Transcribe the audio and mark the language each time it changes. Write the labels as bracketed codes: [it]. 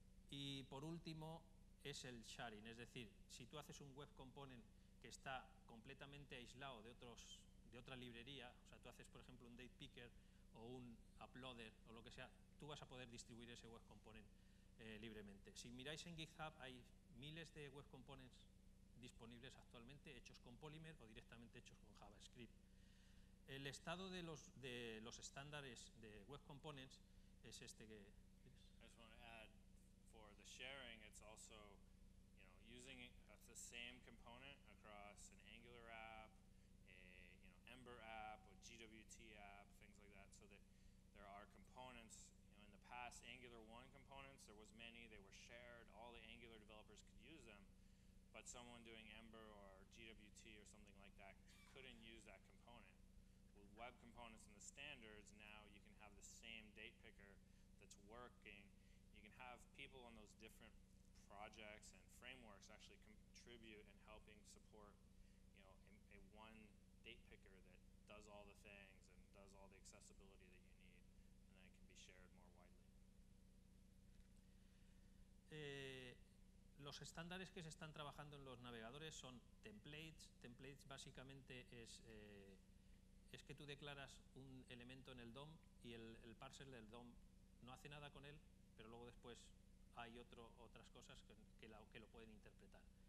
[es] Y por último es el sharing, es decir, si tú haces un web component que está completamente aislado de otra librería, o sea, tú haces, por ejemplo, un date picker o un uploader o lo que sea, tú vas a poder distribuir ese web component libremente. Si miráis en GitHub, hay miles de web components disponibles actualmente, hechos con Polymer o directamente hechos con JavaScript. El estado de los estándares de web components es este que... [en] I just want to add, for the sharing, it's also, you know, using the same component across an Angular app, Ember app or GWT app, things like that, so that there are components. You know, in the past, Angular 1 components, there was many, they were shared, all the Angular developers could use them, but someone doing Ember or GWT or something like that couldn't use that component. With web components and the standards, now you can have the same date picker that's working. You can have people on those different projects and frameworks actually contribute and helping support, you know, a one date picker that does all the things and does all the accessibility that you need, and then it can be shared more widely. [es] Los estándares que se están trabajando en los navegadores son templates. Templates básicamente es que tú declaras un elemento en el DOM y el parser del DOM no hace nada con él, pero luego después hay otras cosas que lo pueden interpretar.